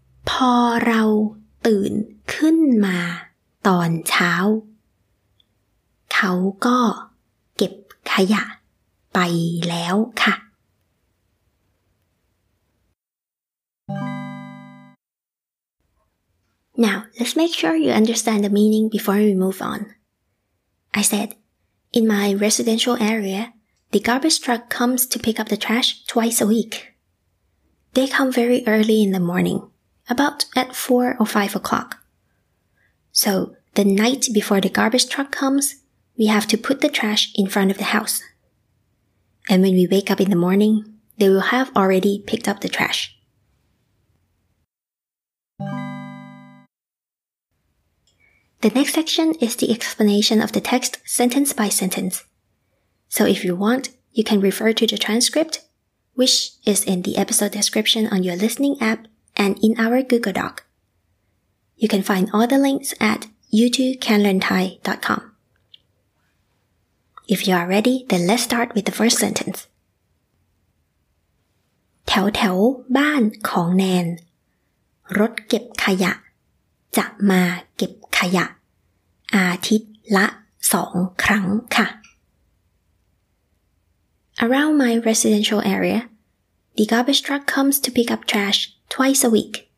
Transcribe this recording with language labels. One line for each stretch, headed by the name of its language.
Thai: พอเราตื่นขึ้นมาตอนเช้าเขาก็เก็บขยะไปแล้วค่ะ
English: Now, let's make sure you understand the meaning before we move on. I said, in my residential area, the garbage truck comes to pick up the trash twice a week. They come very early in the morning, about at 4 or 5 o'clock. So, the night before the garbage truck comes, we have to put the trash in front of the house. And when we wake up in the morning, they will have already picked up the trash. The next section is the explanation of the text sentence by sentence. So if you want, you can refer to the transcript, which is in the episode description on your listening app and in our Google Doc. You can find all the links at u2canlearnthai.com. If you are ready, then let's start with the first sentence.
Thai: แถวแถวบ้านของแนนรถเก็บขยะจะมาเก็บขยะอาทิตย์ละ2ครั้งค่ะ
English: Around my residential area, the garbage truck comes to pick up trash twice a week.